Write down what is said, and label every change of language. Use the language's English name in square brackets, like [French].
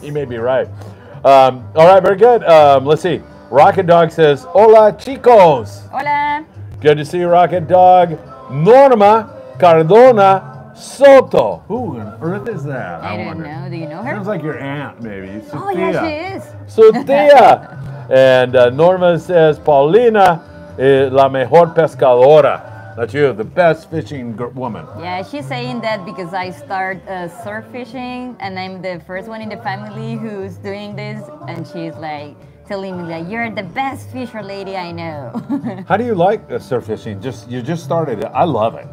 [English] He may be right. All right, very good. Let's see. Rocket Dog says, [Spanish] hola, chicos. Hola. [English] Good to see you, Rocket Dog. Norma Cardona Soto. Who on earth is that? I don't know. Do you know her? Sounds like your aunt, maybe. Sophia. Oh, yeah, she is. Sophia. And Norma says, [Spanish] Paulina es la mejor pescadora. [English] That's you, the best fishing woman. Yeah, she's saying that because I start surf fishing, and I'm the first one in the family who's doing this, and she's like telling me that you're the best fisher lady I know. How do you like surf fishing? You just started it. I love it.